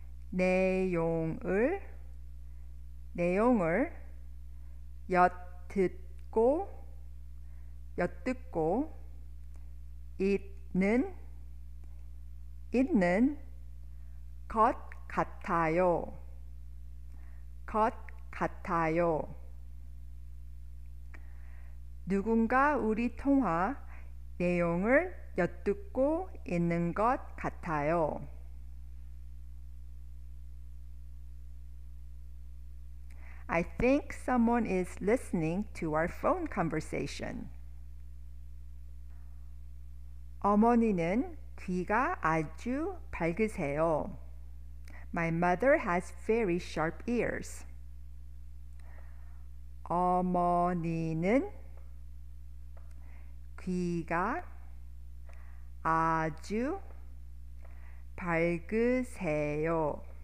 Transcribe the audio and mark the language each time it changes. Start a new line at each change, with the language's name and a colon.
Korean: 내용을, 내용을 엿듣고, 엿듣고, 있는, 있는 것 같아요. 것 같아요. 누군가 우리 통화 내용을 엿듣고 있는 것 같아요.
English: I think someone is listening to our phone conversation.
Korean: 어머니는 귀가 아주 밝으세요.
English: My mother has very sharp ears.
Korean: 어머니는 귀가 아주 밝으세요.